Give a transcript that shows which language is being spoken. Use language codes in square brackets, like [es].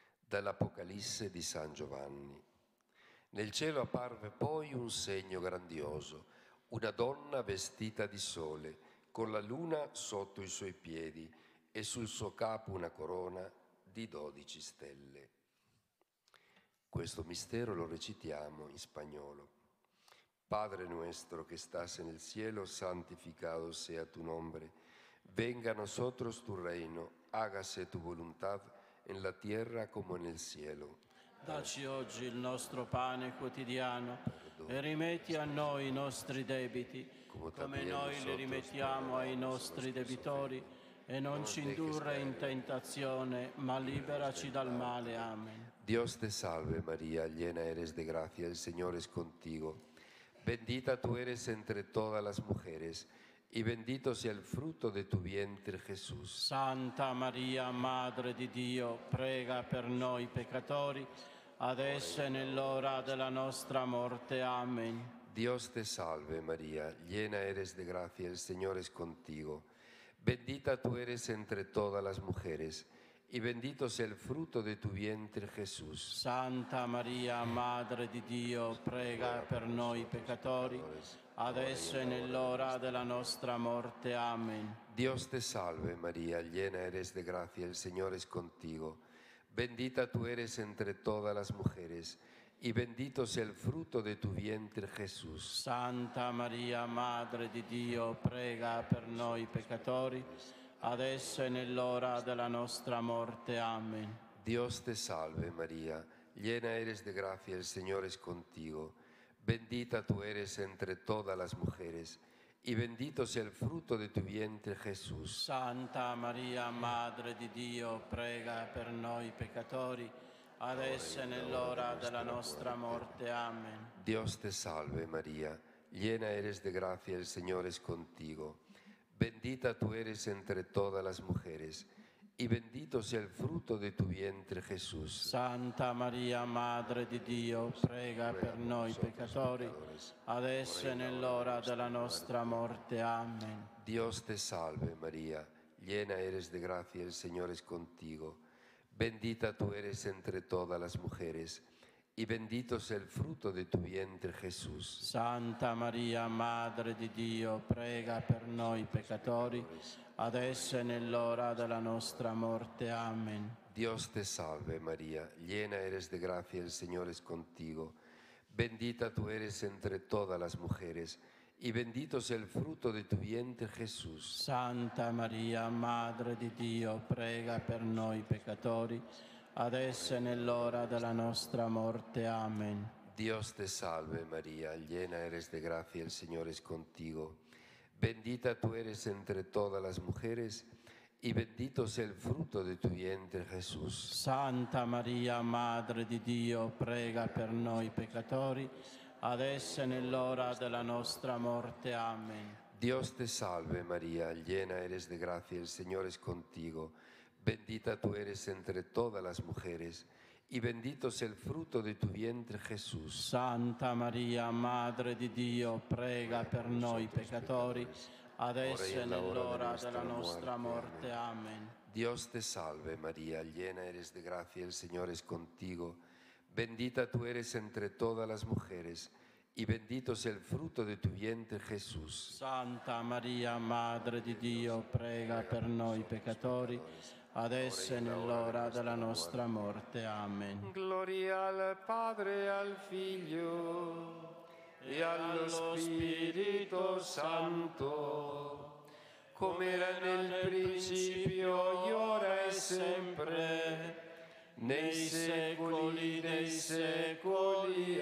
[it] Dall'Apocalisse di San Giovanni. Nel cielo apparve poi un segno grandioso, una donna vestita di sole, con la luna sotto i suoi piedi e sul suo capo una corona di 12 stelle. Questo mistero lo recitiamo in spagnolo. [es] Padre nuestro que estás en el cielo, santificado sea tu nombre. Venga a nosotros tu reino, hágase tu voluntad en la tierra como en el cielo. [it] Dacci oggi il nostro pane quotidiano e rimetti a noi i nostri debiti, come noi li rimettiamo ai nostri debitori, e non ci indurre in tentazione, ma liberaci dal male. Amen. [es] Dios te salve María, llena eres de gracia, el Señor es contigo. Bendita tú eres entre todas las mujeres, y bendito sea el fruto de tu vientre, Jesús. [it] Santa María, Madre di Dio, prega per noi peccatori, adesso e nell'ora della nostra morte. Amen. [es] Dios te salve, María, llena eres de gracia, el Señor es contigo. Bendita tú eres entre todas las mujeres, y bendito sea el fruto de tu vientre, Jesús. [it] Santa María, Madre di Dio, prega per noi peccatori, adesso e nell'ora della nostra morte. Amen. [es] Dios te salve, María, llena eres de gracia, el Señor es contigo. Bendita tú eres entre todas las mujeres, y bendito sea el fruto de tu vientre, Jesús. [it] Santa María, Madre di Dio, prega per noi peccatori, adesso e nell'ora della nostra morte. Amen. [es] Dios te salve, María, llena eres de gracia, el Señor es contigo. Bendita tú eres entre todas las mujeres, y bendito sea el fruto de tu vientre, Jesús. [it] Santa María, Madre di Dio, prega per noi peccatori, adesso e nell'ora della nostra morte. Amen. [es] Dios te salve, María, llena eres de gracia, el Señor es contigo. Bendita tú eres entre todas las mujeres, y bendito sea el fruto de tu vientre, Jesús. [it] Santa María, Madre di Dio, prega per noi peccatori, adesso e nell'ora della nostra morte. Amen. [es] Dios te salve, María, llena eres de gracia, el Señor es contigo. Bendita tú eres entre todas las mujeres, y bendito sea el fruto de tu vientre, Jesús. [it] Santa María, Madre di Dio, prega per noi peccatori, adesso e nell'ora della nostra morte. Amen. [es] Dios te salve, María, llena eres de gracia, el Señor es contigo. Bendita tú eres entre todas las mujeres, y bendito sea el fruto de tu vientre, Jesús. [it] Santa María, Madre di Dio, prega per noi peccatori, adesso e nell'ora della nostra morte. Amen. [es] Dios te salve, María, llena eres de gracia, el Señor es contigo. Bendita tú eres entre todas las mujeres, y bendito sea el fruto de tu vientre, Jesús. [it] Santa María, Madre di Dio, prega per noi peccatori, adesso e nell'ora della nostra morte. Amen. [es] Dios te salve, María, llena eres de gracia, el Señor es contigo. Bendita tú eres entre todas las mujeres, y bendito sea el fruto de tu vientre, Jesús. [it] Santa María, Madre di Dio, prega per noi peccatori, adesso e nell'ora della nostra morte. Amen. [es] Dios te salve, María, llena eres de gracia, el Señor es contigo. Bendita tú eres entre todas las mujeres, y bendito sea el fruto de tu vientre, Jesús. [it] Santa María, Madre di Dio, prega per noi peccatori, adesso e nell'ora della nostra morte. Amen. Gloria al Padre, al Figlio e allo Spirito Santo, come era nel principio, ora e sempre, nei secoli dei secoli.